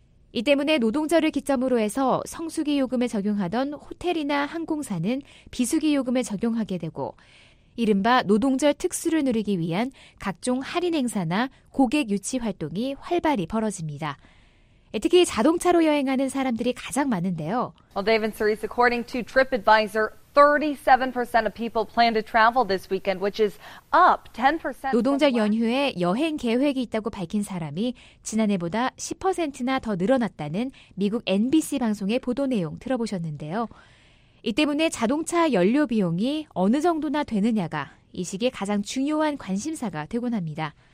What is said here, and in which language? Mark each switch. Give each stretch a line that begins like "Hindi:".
Korean: 이 때문에 노동절을 기점으로 해서 성수기 요금을 적용하던 호텔이나 항공사는 비수기 요금을 적용하게 되고 이른바 노동절 특수를 누리기 위한 각종 할인 행사나 고객 유치 활동이 활발히 벌어집니다. 특히 자동차로 여행하는 사람들이 가장 많은데요.
English: Well, Dave and Cerise, according to TripAdvisor, 37% of people plan to travel this weekend, which is up 10%.
Korean: 노동절 연휴에 여행 계획이 있다고 밝힌 사람이 지난해보다 10%나 더 늘어났다는 미국 NBC 방송의 보도 내용 들어보셨는데요. 이 때문에 자동차 연료 비용이 어느 정도나 되느냐가 이 시기에 가장 중요한 관심사가 되곤 합니다.